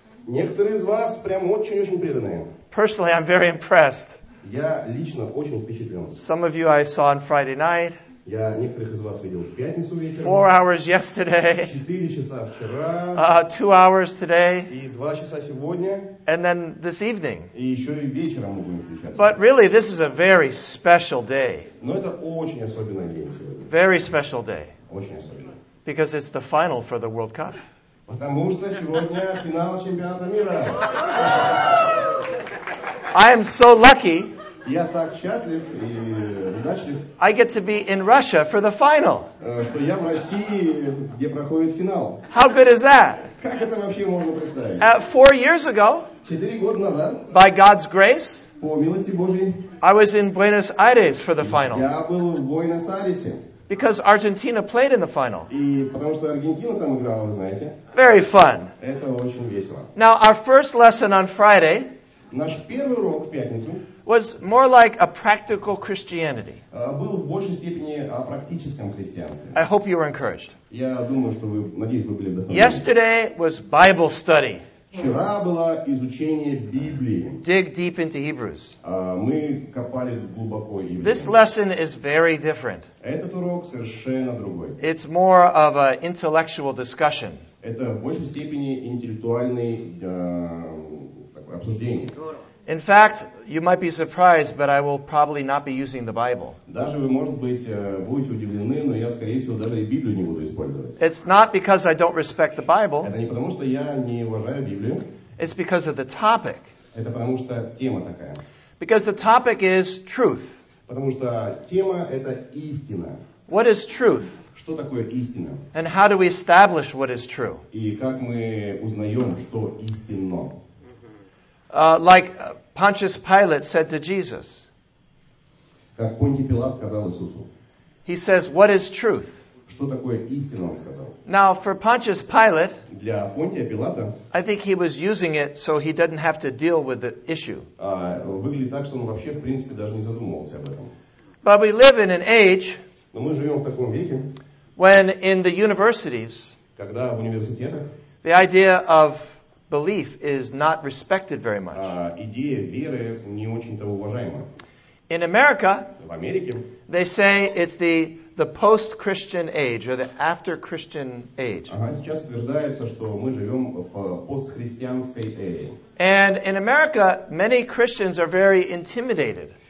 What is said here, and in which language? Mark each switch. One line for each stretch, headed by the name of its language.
Russian: Некоторые из вас прям очень-очень преданные.
English: Personally, I'm very impressed.
Russian: Я лично очень впечатлен.
English: Some of you I saw on Friday night.
Russian: Я некоторых из вас видел в пятницу вечером.
English: 4 hours yesterday.
Russian: 4 часа вчера.
English: 2 hours today.
Russian: И 2 часа сегодня.
English: And then this evening.
Russian: И еще и вечером мы будем встречаться.
English: But really, this is a very special day.
Russian: Но это очень особенный день сегодня.
English: Very special day.
Russian: Очень особенный.
English: Because it's the final for the World Cup.
Russian: Потому что сегодня финал чемпионата мира.
English: I am so lucky.
Russian: Я так счастлив и удачлив.
English: I get to be in Russia for the final.
Russian: Что я в России, где проходит финал.
English: How good is that?
Russian: Как это вообще можно представить?
English: 4 years ago.
Russian: 4 года назад.
English: By God's grace.
Russian: По милости Божьей.
English: I was in Buenos Aires for the final.
Russian: Я был в Буэнос-Айресе.
English: Because Argentina played in the final.
Russian: И потому что Аргентина там играла, вы знаете.
English: Very fun.
Russian: Это очень весело.
English: Now our first lesson on Friday.
Russian: Наш первый урок в пятницу.
English: Was more like a practical Christianity.
Russian: Был в большей степени о практическом христианстве.
English: I hope you were encouraged.
Russian: Я думаю, что вы, надеюсь, вы были вдохновлены.
English: Yesterday was Bible study.
Russian: Вчера было изучение Библии.
English: Dig deep into Hebrews.
Russian: Мы копали глубоко Евреи.
English: This lesson is very different.
Russian: Этот урок совершенно другой.
English: It's more of an intellectual discussion.
Russian: Это в большей степени интеллектуальный такое обсуждение.
English: In fact, you might be surprised, but I will probably not be using the Bible.
Russian: Даже вы, может быть, будете удивлены, но я, скорее всего, даже и Библию не буду использовать.
English: It's not because I don't respect the Bible.
Russian: Это не потому, что я не уважаю Библию.
English: It's because of the topic.
Russian: Это потому, что тема такая.
English: Because the topic is truth.
Russian: Потому что тема – это истина.
English: What is truth?
Russian: Что такое истина?
English: And how do we establish what is true?
Russian: И как мы узнаем, что истинно?
English: Like Pontius Pilate said to Jesus.
Russian: Как Понтий Пилат сказал Иисусу.
English: He says, what is truth?
Russian: Что такое истина, он сказал.
English: Now, for Pontius Pilate,
Russian: для Понтия Пилата,
English: I think he was using it so he didn't have to deal with the issue.
Russian: Выглядит так, что он вообще, в принципе, даже не задумывался об этом.
English: But we live in an age,
Russian: но мы живем в таком веке,
English: when in the universities,
Russian: когда в университетах,
English: the idea of belief is not respected very much.
Russian: Идея веры не очень-то уважаема.
English: In America,
Russian: в Америке,
English: they say it's the post-Christian age or the after-Christian age.
Russian: Сейчас утверждается, что мы живем в постхристианской эре.
English: And in America, many Christians are very intimidated.